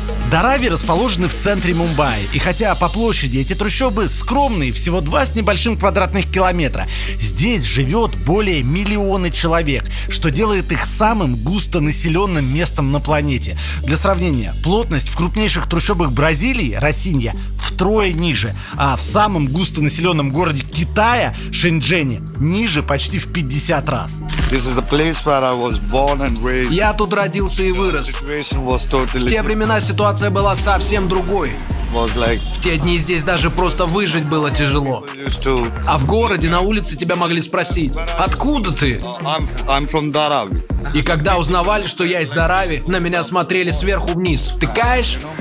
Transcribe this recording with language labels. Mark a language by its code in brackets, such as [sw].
[ru] Дараби расположены в центре Мумбаи. И хотя по площади эти трущобы скромные, всего 2 с небольшим квадратных километра, здесь живет более миллиона человек, что делает их самым густонаселенным местом на планете. Для сравнения, плотность в крупнейших трущобах Бразилии, Росинья, втрое ниже, а в самом густонаселенном городе Китая, Шэньчжэне, ниже почти в 50 раз. [en] This is the place where I was born and raised. [ru] Я тут родился и вырос. [en] Totally [ru] в те времена ситуация была совсем другой. [en] Was like... [ru] В те дни здесь даже просто выжить было тяжело. [en] To... [ru] А в городе, на улице тебя могли спросить, откуда ты? [en] I'm from Dharavi. [ru] И когда узнавали, что я из Дарави, на меня смотрели сверху вниз. Втыкаешь?